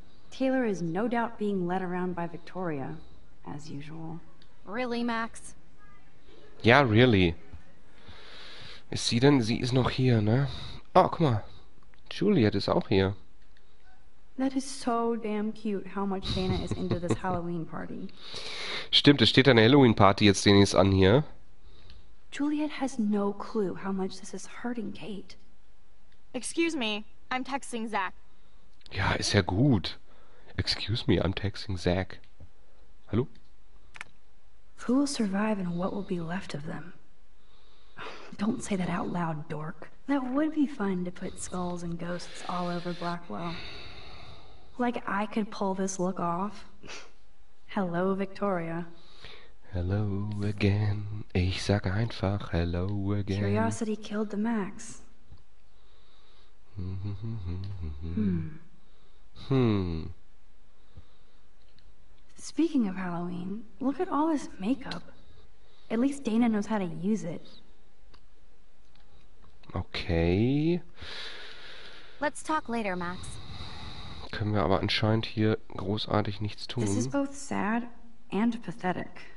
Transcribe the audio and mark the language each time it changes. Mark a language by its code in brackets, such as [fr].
[en] Taylor is no doubt being led around by Victoria, as usual. Really, Max? Yeah, really. [de] Ist sie denn? Sie ist noch hier, ne? Oh, guck mal. Juliet ist auch hier. [en] That is so damn cute, how much Dana is into this Halloween party. [de] Stimmt, es steht eine Halloween Party jetzt demnächst an hier. [en] Juliet has no clue how much this is hurting Kate. Excuse me, I'm texting Zach. [de] Ja, ist ja gut. [en] Excuse me, I'm texting Zach. [de] Hallo? [en] Who will survive and what will be left of them? Don't say that out loud, dork. That would be fun to put skulls and ghosts all over Blackwell. Like I could pull this look off. Hello, Victoria. Hello again. [de] Ich sag einfach [en] hello again. Curiosity killed the Max. Speaking of Halloween, look at all this makeup. At least Dana knows how to use it. Okay. Let's talk later, Max. [de] Können wir aber anscheinend hier großartig nichts tun. [en] This is both sad and pathetic.